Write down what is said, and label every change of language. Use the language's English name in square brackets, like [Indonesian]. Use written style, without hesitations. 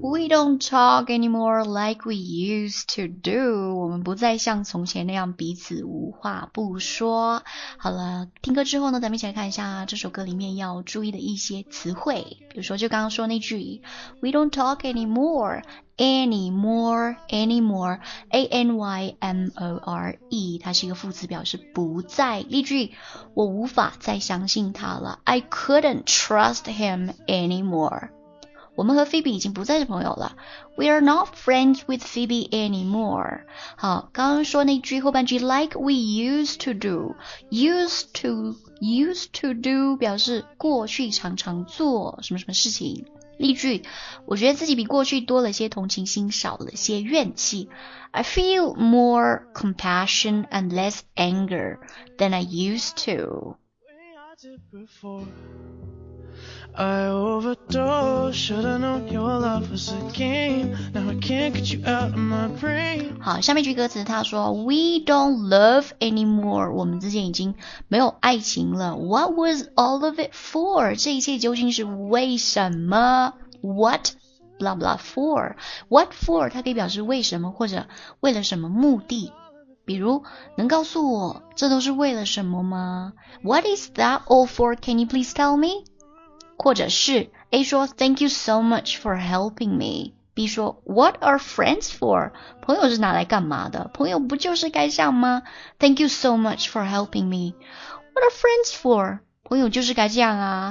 [English] Don't talk anymore like we used to do. [Chinese] 我们不再像从前那样彼此无话不说。好了，听歌之后呢，咱们一起来看一下这首歌里面要注意的一些词汇。比如说，就刚刚说那句 ， [English] We don't talk anymore, [Chinese] anymore, anymore, a n y m o r e， 它是一个副词，表示不再。例句，我无法再相信他了。 [English] I couldn't trust him anymore. [Chinese] 我们和 Phoebe 已经不再是朋友了。 [English] We are not friends with Phoebe anymore. [Chinese] 好，刚刚说那句后半句 [English] like we used to do. [Chinese] Used to do 表示过去常常做什么什么事情。例句，我觉得自己比过去多了些同情心，少了些怨气。 [English] I feel more compassion and less anger than I used to. I did before. I overdosed. Should have known your love was a game. Now I can't get you out of my brain. [Chinese] 好，下面句歌词他说 [English] We don't love anymore. [Chinese] 我们之间已经没有爱情了。 [English] What was all of it for? [Chinese] 这一切究竟是为什么 [English] ？What? blah blah for what for [Chinese] 它可以表示为什么或者为了什么目的比如能告诉我这都是为了什么吗 [English] what is that all for can you please tell me 或者是 A 说 thank you so much for helping me B 说 what are friends for [Chinese] 朋友是拿来干嘛的朋友不就是该笑吗 [English] thank you so much for helping me what are friends for [Chinese] 朋友就是该这样啊。